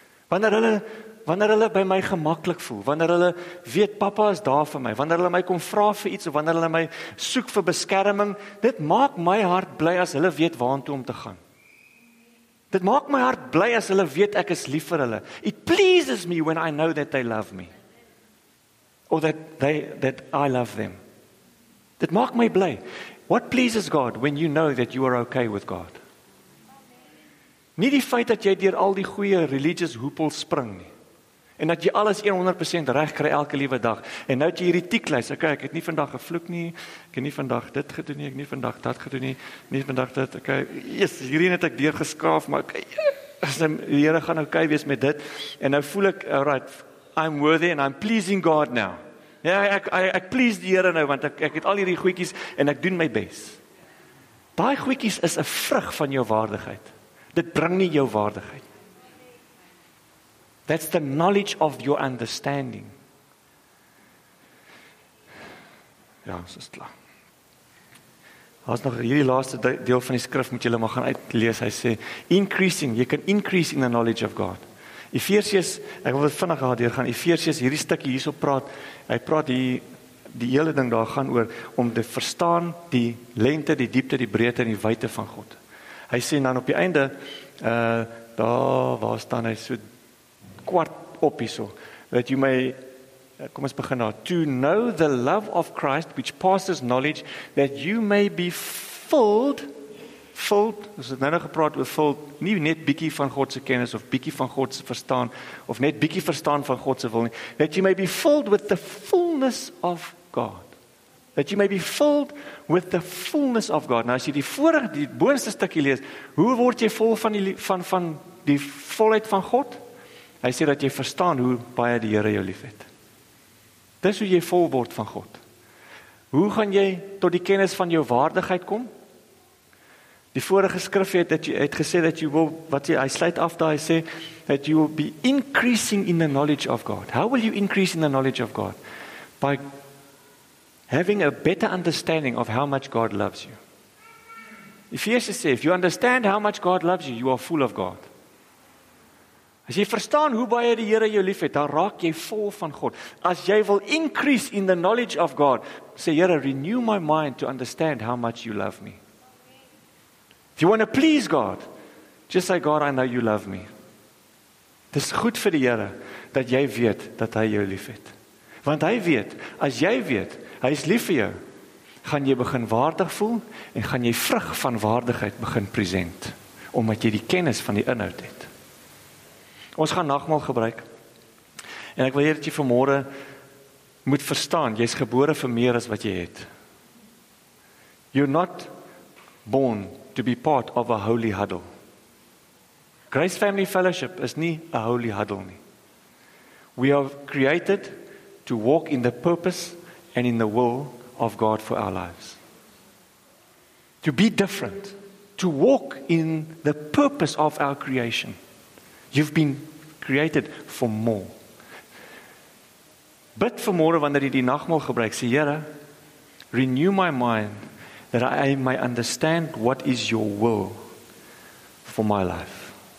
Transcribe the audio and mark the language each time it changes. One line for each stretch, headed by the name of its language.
Afrikaans: Wanneer hulle by my gemakkelijk voel, wanneer hulle weet papa is daar vir my, wanneer hulle my kom vra vir iets, of wanneer hulle my soek vir beskerming, dit maak my hart bly as hulle weet waartoe om te gaan. Dit maak my hart bly as hulle weet ek is lief vir hulle.
English: It pleases me when I know that they love me. Or that I love them.
Afrikaans: Dit maak my bly.
English: What pleases God when you know that you are okay with God?
Afrikaans: Nie die feit dat jy deur al die goeie religious hoepels spring nie. En dat jy alles 100% reg kry elke liewe dag. En nou dat jy hierdie tiklys, okay, ek het nie vandag gevloek nie, ek het nie vandag dit gedoen nie, ek nie vandag dat gedoen nie, nie vandag dit, okay, yes, hierdie het ek deurgeskaaf, maar okay, yes, die Here gaan okay wees met dit. En nou voel ek,
English: alright, I'm worthy and I'm pleasing God now.
Afrikaans: Ja, ek please die Here nou, want ek het al hierdie goedjies en ek doen my best. Daai goedjies is 'n vrug van jou waardigheid. Dit bring nie jou waardigheid.
English: That's the knowledge of your understanding.
Afrikaans: Ja, dit is klaar. Daar is nog hierdie laaste deel van die skrif, moet julle maar gaan uitlees.
English: Hy sê, increasing, you can increase in the knowledge of God.
Afrikaans: Efesiërs, ek wil vinnig daar deur gaan, Efesiërs, hierdie stukkie hierso praat, hy praat hier, die hele ding daar gaan oor, om te verstaan die lengte, die diepte, die breedte en die wyte van God. Hy sê dan op die einde, daar was dan hy so kwart op hierso, dat jy my, kom ons begin daar,
English: to know the love of Christ, which passes knowledge, that you may be filled,
Afrikaans: ons het nou gepraat oor filled, nie net bykie van Godse kennis, of bykie van Godse verstaan, of net bykie verstaan van Godse wil nie,
English: that you may be filled with the fullness of God. That you may be filled with the fullness of God.
Afrikaans: Nou as jy die boonste stukkie lees, hoe word jy vol van die volheid van God? Hy sê dat jy verstaan hoe baie die Here jou lief het. Dis hoe jy vol word van God. Hoe gaan jy tot die kennis van jou waardigheid kom? Die vorige skrif het gesê dat jy wil, wat jy, hy sluit af daar, hy sê,
English: that you will be increasing in the knowledge of God. How will you increase in the knowledge of God? By having a better understanding of how much God loves you. Ephesians says, if you understand how much God loves you, you are full of God.
Afrikaans: As jy verstaan hoe baie die Here jou lief het, dan raak jy vol van God. As jy wil
English: increase in the knowledge of God, say, Here, renew my mind to understand how much you love me. If you want to please God, just say, God, I know you love me.
Afrikaans: Dit is goed vir die Here, dat jy weet, dat hy jou lief het. Want hy weet, as jy weet, hy is lief vir jou, gaan jy begin waardig voel, en gaan jy vrug van waardigheid begin present, omdat jy die kennis van die inhoud het. Ons gaan nagmaal gebruik, en ek wil hier dat jy vanmorgen moet verstaan, jy is gebore vir meer as wat jy het.
English: You're not born to be part of a holy huddle. Grace Family Fellowship is nie a holy huddle nie. We are created to walk in the purpose and in the will of God for our lives. To be different. To walk in the purpose of our creation. You've been created for more.
Afrikaans: Bid vir môre wanneer jy die nagmaal gebruik.
English: Sê, Here, renew my mind that I may understand what is your will for my life.